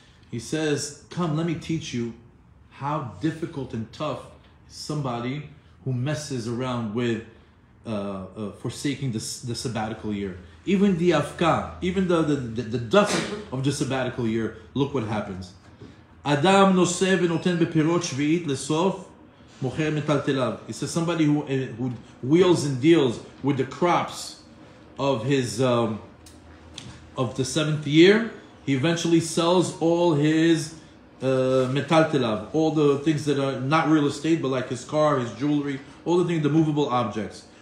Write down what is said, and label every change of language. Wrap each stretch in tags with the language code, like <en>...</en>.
<en>He says, come, let me teach you how difficult and tough somebody who messes around with forsaking the sabbatical year. Even the אבקה, even the dust of the sabbatical year, look what happens.</en> <he>אדם נושא ונותן בפירות שביעית לסוף, מוכר מטלטליו.</he> <en>He says, somebody who wheels and deals with the crops of his of the seventh year, he eventually sells all his metaltelav, all the things that are not real estate, but like his car, his jewelry, all the things, the movable objects.</en>